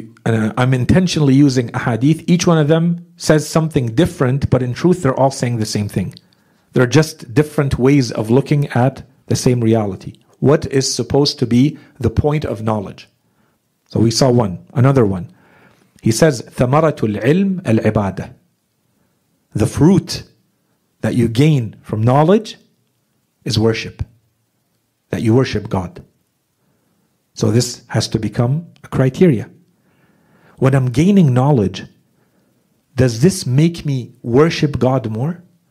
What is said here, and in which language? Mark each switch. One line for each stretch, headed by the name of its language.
English: I'm intentionally using a hadith. Each one of them says something different, but in truth, they're all saying the same thing. They're just different ways of looking at the same reality. What is supposed to be the point of knowledge? So we saw one, another one. He says,
Arabic: ثَمَرَةُ الْعِلْمِ الْعِبَادَةِ.
English: The fruit that you gain from knowledge is worship. That you worship God. So this has to become a criteria. When I'm gaining knowledge, does this make me worship God more?